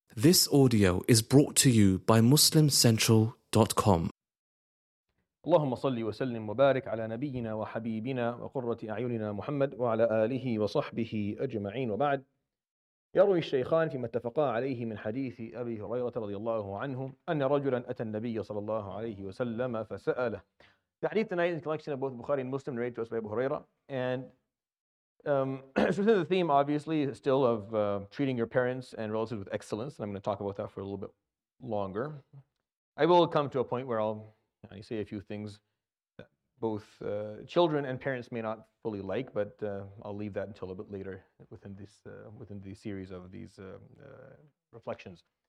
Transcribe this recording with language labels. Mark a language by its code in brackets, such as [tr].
[en] This audio is brought to you by MuslimCentral.com. [ar] اللهم صل وسلم وبارك على نبينا وحبيبنا وقرة أعيننا محمد وعلى آله وصحبه أجمعين. وبعد، يروي الشيخان فيما اتفقا عليه من حديث أبي هريرة رضي الله عنه أن رجلا أتى النبي صلى الله عليه وسلم فسأله. [en] The hadith tonight is a collection of both Bukhari and Muslim narrated to us by Abu Huraira. So within the theme, obviously, still of treating your parents and relatives with excellence, and I'm going to talk about that for a little bit longer. I will come to a point where I'll say a few things that both children and parents may not fully like, but I'll leave that until a bit later within the series of these reflections.